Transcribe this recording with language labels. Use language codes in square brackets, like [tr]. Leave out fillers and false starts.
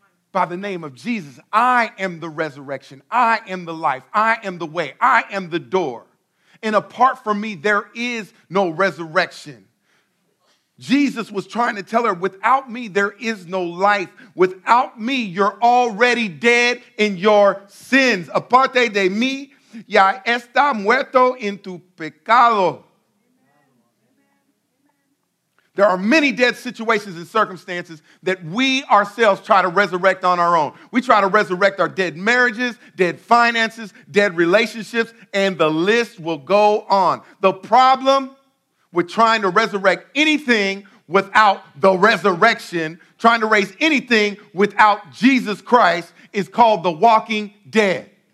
[en] By the name of Jesus, I am the resurrection. I am the life. I am the way. I am the door. And apart from me, there is no resurrection. Jesus was trying to tell her, without me, there is no life. Without me, you're already dead in your sins. [es] Aparte de mí, ya está muerto en tu pecado. [en] There are many dead situations and circumstances that we ourselves try to resurrect on our own. We try to resurrect our dead marriages, dead finances, dead relationships, and the list will go on. The problem with trying to resurrect anything without the resurrection, trying to raise anything without Jesus Christ, is called the walking dead.